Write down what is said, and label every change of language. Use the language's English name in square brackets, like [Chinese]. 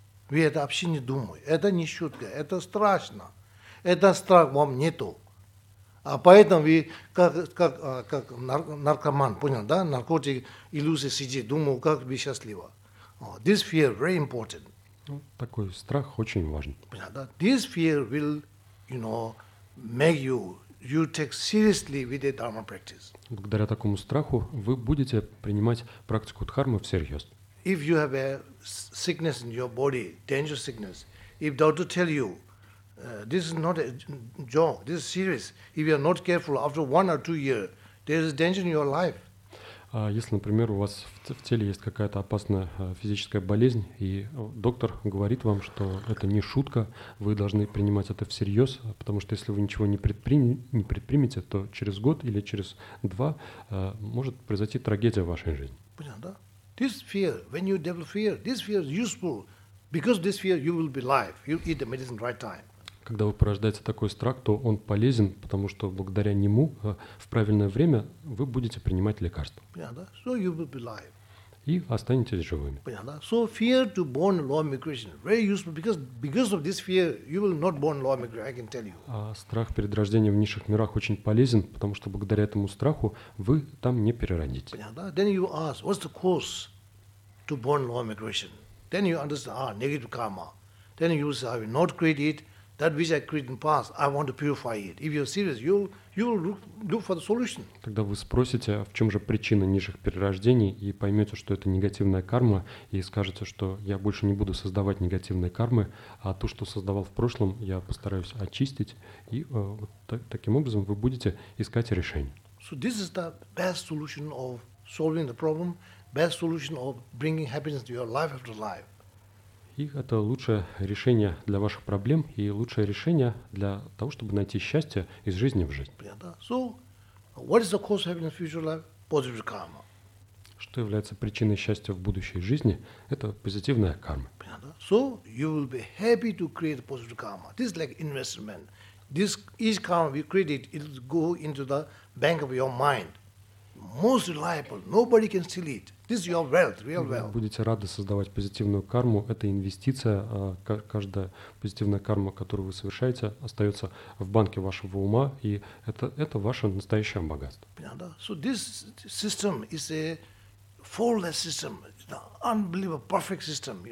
[Russian] Вы это вообще не думаете. Это не шутка, это страшно. Это страх вам нету. А поэтому вы как наркоман, понял, да? Наркотик, иллюзия сидит, думаю, как бы счастливо. [English] This fear very important. [Russian] Такой страх очень важен. Понял, да? [English] This fear will, you know, make you take seriously with the dharma practice. [Russian] Благодаря такому страху вы будете принимать практику дхармы всерьез. [English] If you have a sickness in your body, dangerous sickness, if doctor tell you, this is not a joke. This is serious. If you are not careful, after 1 or 2 years, there is danger in your life. [Russian] А если, например, у вас в теле есть какая-то опасная физическая болезнь, и доктор говорит вам, что это не шутка, вы должны принимать это всерьез, потому что если вы ничего не предпримете, то через год или через два может произойти трагедия в вашей жизни. Понятно, да? [English] This fear, when you develop fear, this fear is useful, because this fear you will be alive, you eat the medicine right time. [Russian] Когда вы порождаете такой страх, то он полезен, потому что благодаря нему в правильное время вы будете принимать лекарства. Понятно, да? [English] So you will be alive. [Russian] И останетесь живыми. Понятно, да? [English] So fear to born low migration very useful because of this fear you will not born low migration, I can tell you. [Russian] А страх перед рождением в низших мирах очень полезен, потому что благодаря этому страху вы там не переродите. Понятно, да? [English] Then you ask, what's the cause to born low migration? Then you understand, negative karma. Then you say, I will not create it. That which I created in the past, I want to purify it. If you're serious, you'll look for the solution. [Russian] Тогда вы спросите, в чем же причина низших перерождений, и поймете, что это негативная карма, и скажете, что я больше не буду создавать негативные кармы, а то, что создавал в прошлом, я постараюсь очистить, и таким образом вы будете искать решение. [English] So this is the best solution of solving the problem, best solution of bringing happiness to your life after life. [Russian] И это лучшее решение для ваших проблем и лучшее решение для того, чтобы найти счастье из жизни в жизнь. [English] So, what is the cause of happiness in future life? Positive karma. [Russian] Что является причиной счастья в будущей жизни? Это позитивная карма. [English] So, you will be happy to create positive karma. This is like investment. This each karma we create, it will go into the bank of your mind. Most reliable. Nobody can steal it. This is your wealth, real wealth. [Russian] Вы будете рады создавать позитивную карму. Это инвестиция. Каждая позитивная карма, которую вы совершаете, остается в банке вашего ума, и это ваше настоящее богатство. Понятно? [English] So this system is a flawless system, the unbelievable perfect system.